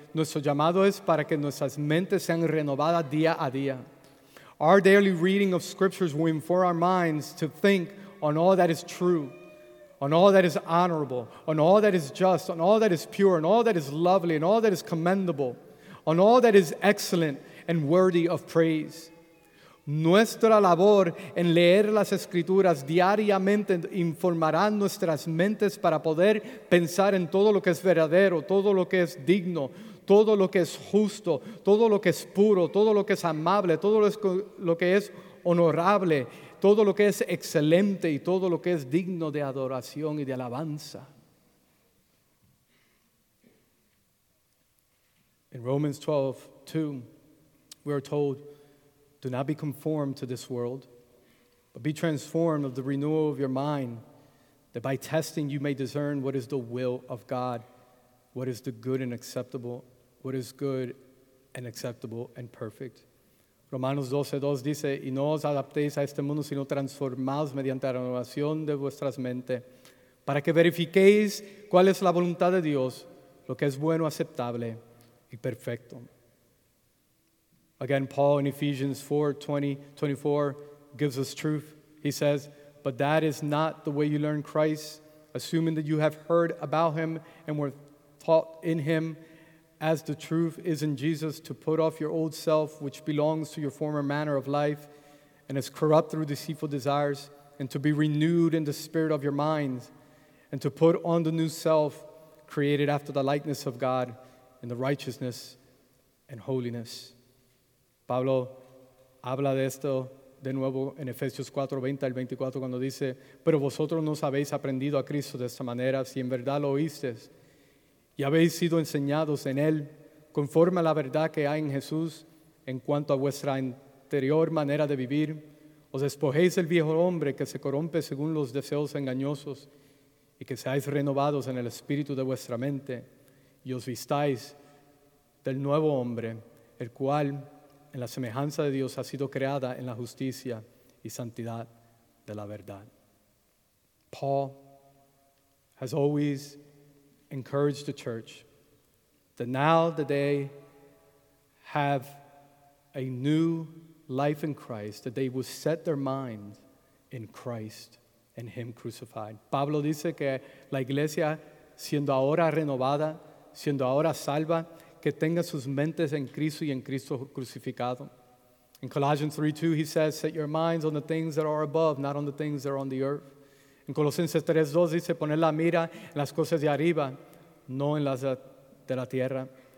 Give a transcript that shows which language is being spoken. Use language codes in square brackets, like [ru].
[es] Nuestro llamado es para que nuestras mentes sean renovadas día a día. [en] Our daily reading of scriptures will inform our minds to think on all that is true, on all that is honorable, on all that is just, on all that is pure, on all that is lovely, and all that is commendable, on all that is excellent and worthy of praise. [es] Nuestra labor en leer las escrituras diariamente informará nuestras mentes para poder pensar en todo lo que es verdadero, todo lo que es digno, todo lo que es justo, todo lo que es puro, todo lo que es amable, todo lo que es honorable, todo lo que es excelente y todo lo que es digno de adoración y de alabanza. [en] In Romans 12:2, we are told, do not be conformed to this world, but be transformed of the renewal of your mind, that by testing you may discern what is the will of God, what is the good and acceptable, what is good and acceptable and perfect. [es] Romanos 12:2 dice, y no os adaptéis a este mundo, sino transformaos mediante la renovación de vuestras mentes, para que verifiquéis cuál es la voluntad de Dios, lo que es bueno, aceptable y perfecto. [en] Again, Paul in Ephesians 4:20-24 gives us truth. He says, but that is not the way you learn Christ, assuming that you have heard about him and were taught in him, as the truth is in Jesus, to put off your old self, which belongs to your former manner of life and is corrupt through deceitful desires, and to be renewed in the spirit of your minds, and to put on the new self created after the likeness of God in the righteousness and holiness. [es] Pablo habla de esto de nuevo en Efesios 4:20-24 cuando dice, pero vosotros no habéis aprendido a Cristo de esta manera, si en verdad lo oísteis y habéis sido enseñados en él conforme a la verdad que hay en Jesús en cuanto a vuestra interior manera de vivir, os despojéis del viejo hombre que se corrompe según los deseos engañosos y que seáis renovados en el espíritu de vuestra mente y os vistáis del nuevo hombre, el cual en la semejanza de Dios ha sido creada en la justicia y santidad de la verdad. [en] Paul has always encouraged the church that now that they have a new life in Christ, that they will set their mind in Christ and him crucified. [es] Pablo dice que la iglesia, siendo ahora renovada, siendo ahora salva, que tenga sus mentes en Cristo y en Cristo crucificado. [en] In Colossians 3:2, he says, set your minds on the things that are above, not on the things that are on the earth. [es] En Colosenses 3:2 dice, poner la mira en las cosas de arriba, no en las de la tierra.